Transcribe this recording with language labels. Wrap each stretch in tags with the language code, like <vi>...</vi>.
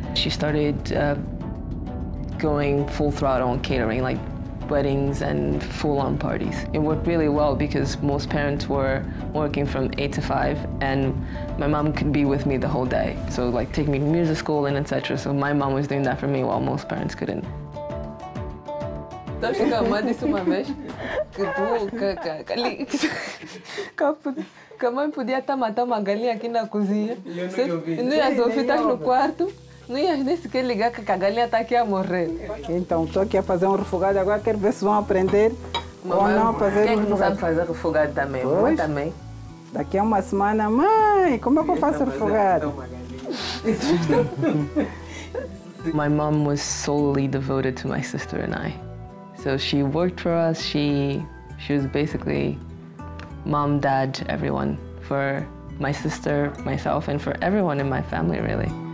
<en>She started going full throttle on catering, like weddings and full-on parties. It worked really well because most parents were working from 8 to 5 and my mom could be with me the whole day. So like take me to music school and etc. So my mom was doing that for me while most parents couldn't.</en> <pt>Mãe podia estar matando uma galinha aqui na cozinha. Não ia sofrer no quarto, não ia nem sequer ligar que a galinha está aqui a morrer. Então, estou aqui a fazer um refogado, agora quero ver se vão aprender ou não a fazer refogado. Quem sabe fazer refogado também? Mãe também. Daqui a uma semana, mãe, como é que eu faço refogado?</pt> <en>My mom was solely devoted to my sister and I. So she worked for us, she was basically mom, dad, everyone, for my sister, myself, and for everyone in my family, really.</en>